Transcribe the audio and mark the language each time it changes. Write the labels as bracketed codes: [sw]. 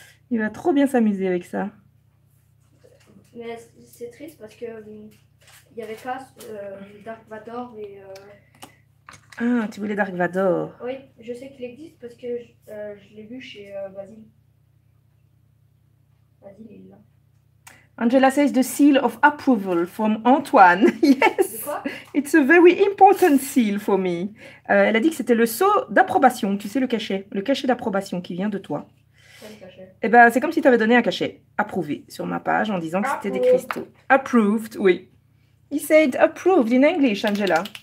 [fr] Il va trop bien s'amuser avec ça. Mais c'est triste parce que il n'y avait pas Dark Vador et... Ah, tu voulais Dark Vador. Oui, je sais qu'il existe parce que je l'ai vu chez Basile. Basile est là. [en] Angela says the seal of approval from Antoine. Yes. [fr] Quoi? [en] It's a very important seal for me. [fr] Elle a dit que c'était le sceau d'approbation, tu sais, le cachet d'approbation qui vient de toi. Et ben, c'est comme si tu avais donné un cachet approuvé sur ma page en disant que [en] approved. [fr] C'était des cristaux. [en] Approved, oui. He said approved in English, Angela.